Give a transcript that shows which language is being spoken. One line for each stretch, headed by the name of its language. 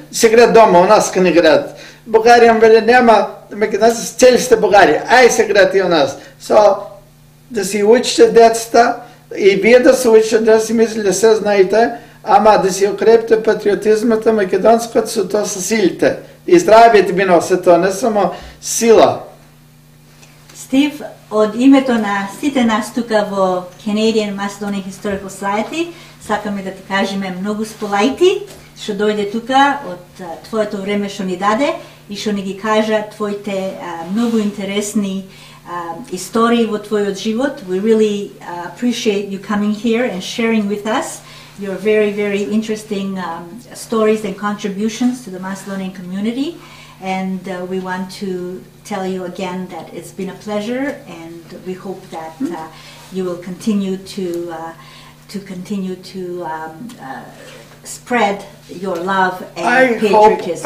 Macedonian: Си гряд дома, у нас къде гряд. Бугариям веле, няма, македонци, цели сте бугари. Ай си гряд и у нас. Со, да си учите децата, и вие да се учите, да си мислите, се знаете, ама да си укрепте патриотизмата, македонското са то са силите. И здравите ми носи то, не само сила. Стив, од името на сите нас тука во Canadian Macedonian Historical Society, сакаме да ти кажеме многу сполајти што дојде тука од твоето време што ни даде и што ни ги кажа твоите многу интересни истории во твојот живот.
English: We really appreciate you coming here and sharing with us your very, very interesting stories and contributions to the Macedonian community. And we want to tell you again that it's been a pleasure and we hope that you will continue to spread your love and patriotism.